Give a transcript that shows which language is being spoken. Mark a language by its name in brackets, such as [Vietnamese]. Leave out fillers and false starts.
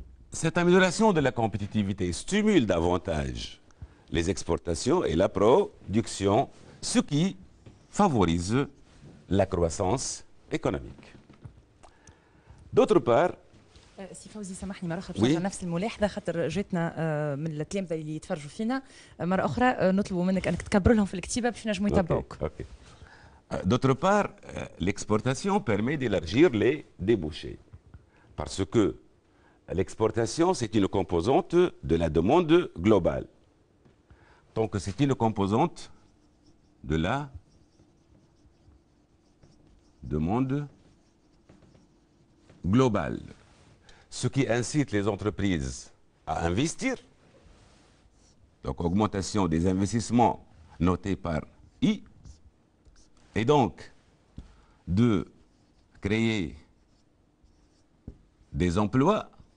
[French] Cette amélioration de la compétitivité stimule davantage les exportations et la production, ce qui favorise la croissance économique. D'autre part, [Arabic] سي فوزي سامحني مرة أخرى بصراحة نفس الملاحظة خاطر جاتنا من التلامذة اللي يتفرجوا فينا مرة أخرى نطلبوا منك أنك تكبر لهم في الكتيبة باش نجموا يتبعوك. [French] D'autre part, l'exportation permet d'élargir les débouchés parce que l'exportation, c'est une composante de la demande globale. Tant que c'est une composante de la demande globale, ce qui incite les entreprises à investir, donc augmentation des investissements notés par I, et donc de créer des emplois,